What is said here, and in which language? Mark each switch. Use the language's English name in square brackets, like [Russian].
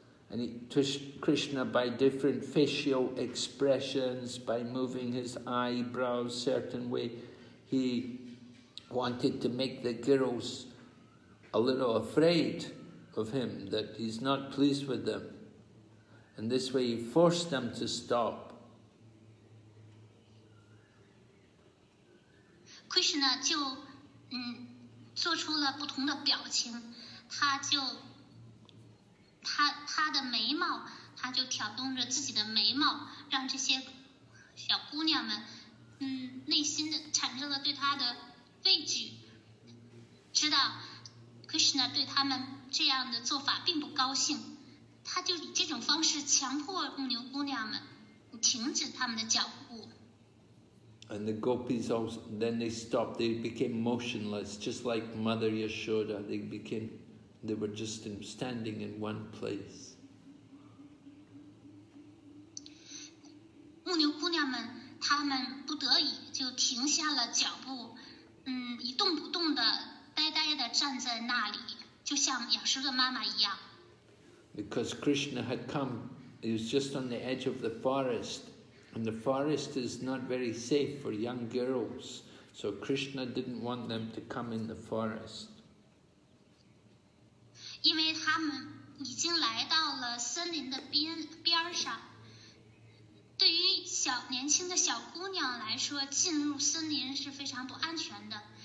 [English] And Krishna, by different facial expressions, by moving his eyebrows certain way, he wanted to make the girls a little afraid of him, that he's not pleased with them. And this way he forced them to stop. [Chinese] Krishna 就做出了不同的表情，他的眉毛，他就挑动着自己的眉毛，让这些小姑娘们，内心的产生了对他的畏惧，知道 Krishna 对他们这样的做法并不高兴，他就以这种方式强迫牧牛姑娘们停止他们的脚步。 [English] And the gopis also, then they stopped, they became motionless, just like Mother Yashoda, they were just standing in one place. [Chinese] 牧牛姑娘们，她们不得已就停下了脚步，一动不动的呆呆的站在那里，就像雅舍的妈妈一样。 [English] Because Krishna had come, he was just on the edge of the forest, and the forest is not very safe for young girls, so Krishna didn't want them to come in the forest. [Chinese] 因为他们已经来到了森林的边上，对于年轻的小姑娘来说，进入森林是非常不安全的。